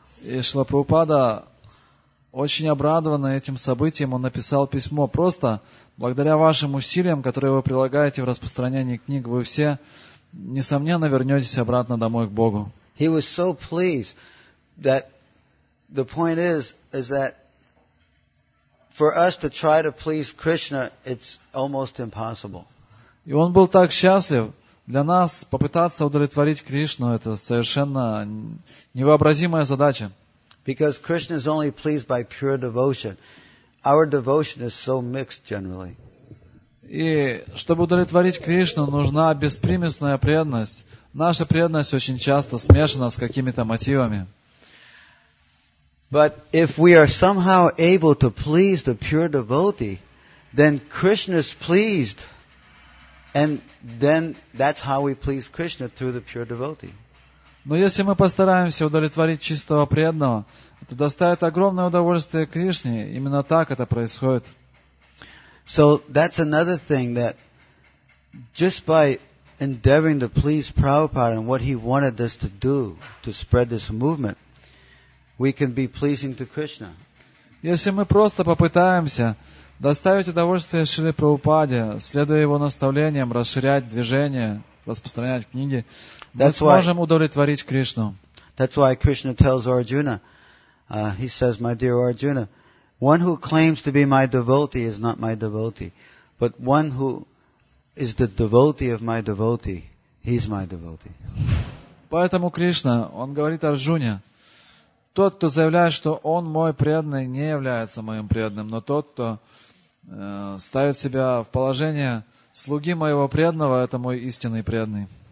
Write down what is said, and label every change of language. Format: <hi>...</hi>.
<ru>И Шрила Прабхупада, очень обрадованный этим событием, он написал письмо: просто благодаря вашим усилиям, которые вы прилагаете в распространении книг, вы все, несомненно, вернетесь обратно домой к Богу.</ru> <en>He was so pleased that the point is that for us to try to please Krishna, it's almost impossible.</en> <ru>И он был так счастлив. Для нас попытаться удовлетворить Кришну — это совершенно невообразимая задача.</ru> <en>Because Krishna is only pleased by pure devotion. Our devotion is so mixed generally.</en> <ru>И чтобы удовлетворить Кришну, нужна беспримесная преданность. Наша преданность очень часто смешана с какими-то мотивами.</ru> <en>But if we are somehow able to please the pure devotee, then Krishna is pleased. And then that's how we please Krishna, through the pure devotee.</en> <ru>Но если мы постараемся удовлетворить чистого преданного, это доставит огромное удовольствие Кришне. Именно так это происходит.</ru> <en>So that's another thing, that just by endeavoring to please Prabhupada and what he wanted us to do to spread this movement, we can be pleasing to Krishna.</en> <ru>Если мы просто попытаемся доставить удовольствие Шриле Прабхупаде, следуя его наставлениям, расширять движение, распространять книги,</ru> <en>that's</en> <ru>мы сможем</ru> <en>why,</en> <ru>удовлетворить Кришну.</ru> <en>That's why Krishna tells Arjuna, he says, my dear Arjuna, one who claims to be my devotee is not my devotee, but one who is the devotee of my devotee, he's my devotee.</en> <ru>Поэтому Кришна, он говорит Арджуне, тот, кто заявляет, что он мой преданный, не является моим преданным, но тот, кто ставит себя в положение слуги моего преданного, это мой истинный преданный.</ru>